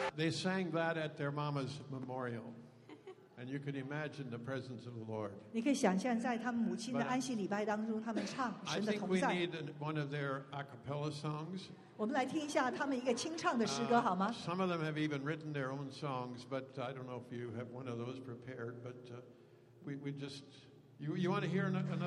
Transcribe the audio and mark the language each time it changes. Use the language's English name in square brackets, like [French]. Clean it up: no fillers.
[English] sang that at their mama's memorial, and you can imagine the presence of the Lord. You can [Chinese] 想象在他们母亲的安息礼拜当中，他们唱神的同在。 [English] I think we need one of their acapella songs. [Chinese] 我们来听一下他们一个清唱的诗歌好吗？ [English] Some of them have even written their own songs, but I don't know if you have one of those prepared. But we just you want to hear another?